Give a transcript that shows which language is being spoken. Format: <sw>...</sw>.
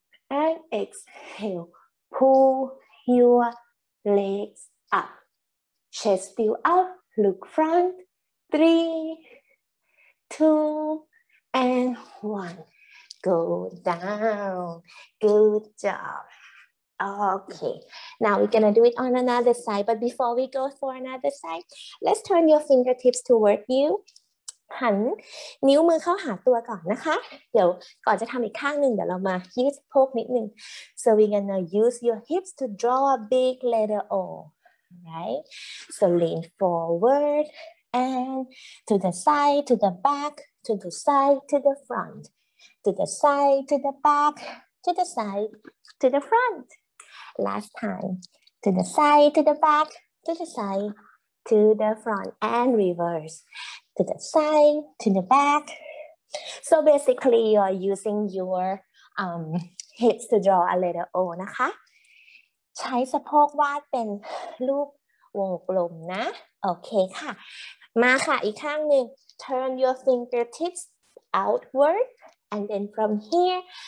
<en>and exhale, pull your legs up, chest still up, look front, 3, 2, and 1. Go down. Good job. Okay. Now we're gonna do it on another side. But before we go for another side, let's turn your fingertips toward you.</en> <th>หันนิ้วมือเข้าหาตัวก่อนนะคะเดี๋ยวก่อนจะทำอีกข้างหนึ่งเดี๋ยวเรามายืดโพกนิดนึง</th> <en>So we're gonna use your hips to draw a big letter O. Right. So lean forward and to the side, to the back, to the side, to the front.To the side, to the back, to the side, to the front. last time to the side to the back to the side to the front and reverse to the side to the back so basically you are using your hips to draw a letter O</en> <th>นะคะใช้สะโพกวาดเป็นรูปวงกลมนะโอเคค่ะมาค่ะอีกข้างหนึ่ง</th> <en>turn your fingertips outward and then from here</en>